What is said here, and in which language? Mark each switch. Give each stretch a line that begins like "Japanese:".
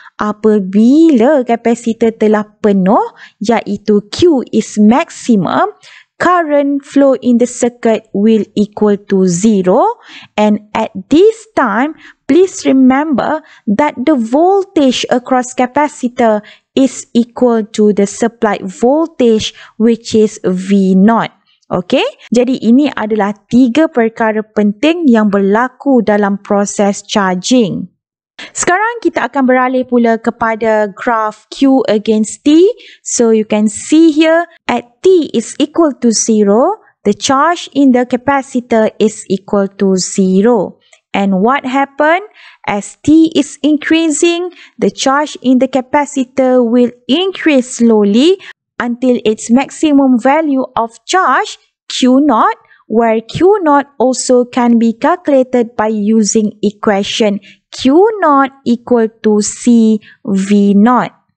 Malay: Apabila capacitor telah penuh, iaitu
English: Q is maximum, current flow in the circuit will equal to zero, and at this time, please remember that the voltage across capacitor is equal to the supplied voltage, which is V naught.
Malay: Okay, jadi ini adalah tiga perkara penting yang berlaku dalam proses charging. Sekarang kita akan beralih pula kepada graf Q against T.
English: So you can see here at T is equal to zero, the charge in the capacitor is equal to zero. And what happened? As T is increasing, the charge in the capacitor will increase slowly until its maximum value of charge, Q naught, where Q naught also can be calculated by using equation Q naught equal to C V naught.